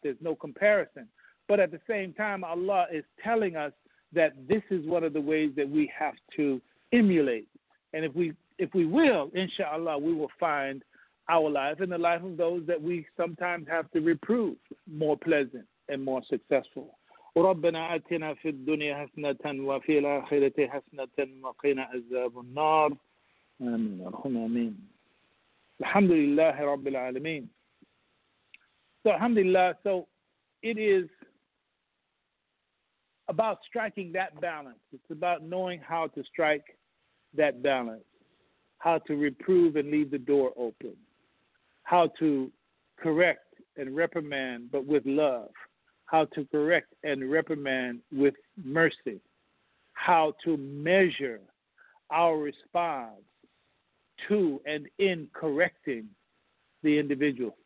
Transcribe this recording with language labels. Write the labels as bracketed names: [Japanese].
[English] There's no comparison. But at the same time, Allah is telling us that this is one of the ways that we have to emulate. And if we will, inshallah, we will find our life and the life of those that we sometimes have to reprove more pleasant and more successful. [Arabic] ربنا آتنا في الدنيا حسنة وفي الآخرة حسنة وقنا عذاب النار آمين اللهم آمين الحمد لله رب العالمين [English] So alhamdulillah, so it is about striking that balance. It's about knowing how to strike that balance, how to reprove and leave the door open, how to correct and reprimand but with love, how to correct and reprimand with mercy, how to measure our response to and in correcting the individual.